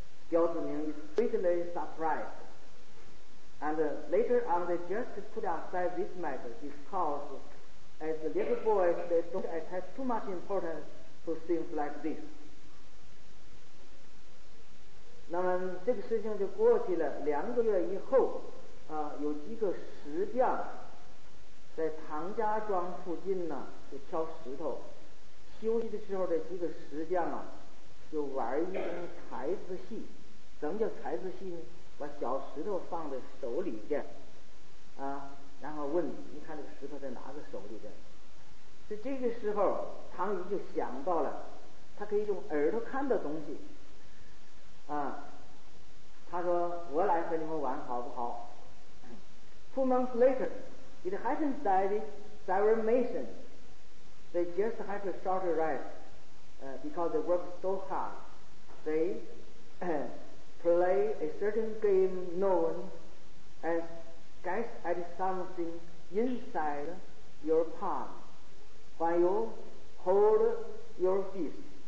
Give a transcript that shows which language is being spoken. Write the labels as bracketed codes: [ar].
[en] 刁子明 is greatly surprised. And later on, they just put aside this matter because as little boys, they don't attach too much importance to things like this. [zh] 那么这个事情就过去了。两个月以后啊，有几个石匠在唐家庄附近呢，就挑石头。休息的时候，这几个石匠啊，就玩一种才子戏。什么叫才子戏呢？把小石头放在手里边啊，然后问你看这个石头在哪个手里边。在这个时候，唐寅就想到了，他可以用耳朵看的东西啊。他说：“我来和你们玩好不好？” [en] Two months later, it happens that several masons, they just had to short rest, because they worked so hard. They play a certain game known as guess at something inside your palm while you hold your fist.